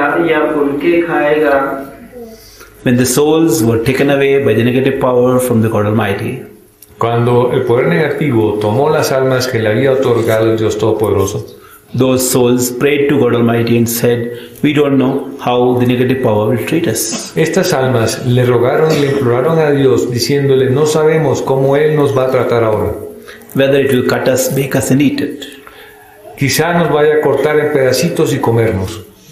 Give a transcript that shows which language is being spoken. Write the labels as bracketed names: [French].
[English] When the souls were taken away by the negative power from the God Almighty, [Spanish] cuando el poder negativo tomó las almas que le había otorgado el Dios Todopoderoso, [English] those souls prayed to God Almighty and said, "We don't know how the negative power will treat us." [Spanish] Estas almas le rogaron y le imploraron a Dios diciéndole, "No sabemos cómo él nos va a tratar ahora." [English] Whether it will cut us, make us and eat it. [Spanish] Quizá nos vaya a cortar en pedacitos y comernos.